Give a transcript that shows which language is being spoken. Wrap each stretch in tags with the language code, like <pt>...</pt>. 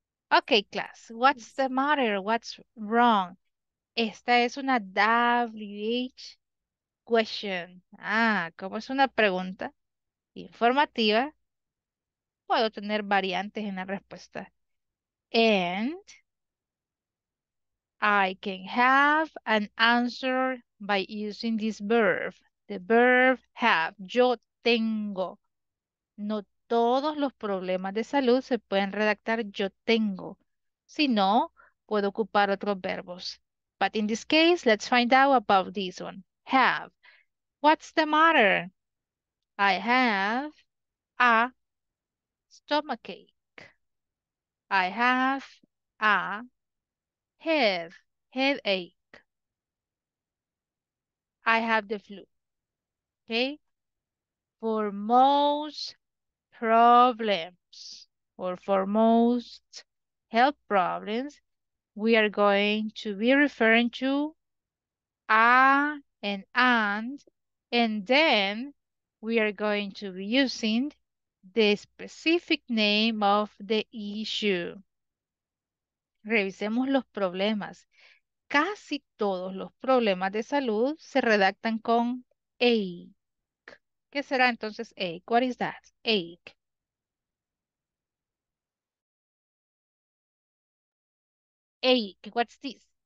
<en>Ok, class. What's the matter? What's wrong?</en> <es>Esta es una WH question. Ah, como es una pregunta informativa, puedo tener variantes en la respuesta.</es> <en>And I can have an answer by using this verb. The verb have.</en> <es>Yo tengo. No todos los problemas de salud se pueden redactar yo tengo. Si no, puedo ocupar otros verbos.</es> <en>But in this case, let's find out about this one. Have. What's the matter? I have a stomachache. I have a headache. I have the flu. Okay? for most problems or for most health problems, we are going to be referring to a and then we are going to be using the specific name of the issue.</en> <es>Revisemos los problemas. Casi todos los problemas de salud se redactan con ache. ¿Qué será entonces ache?</es> <en>What is that?</en> <es>Ache.</es> <en>Ache, what's this?</en>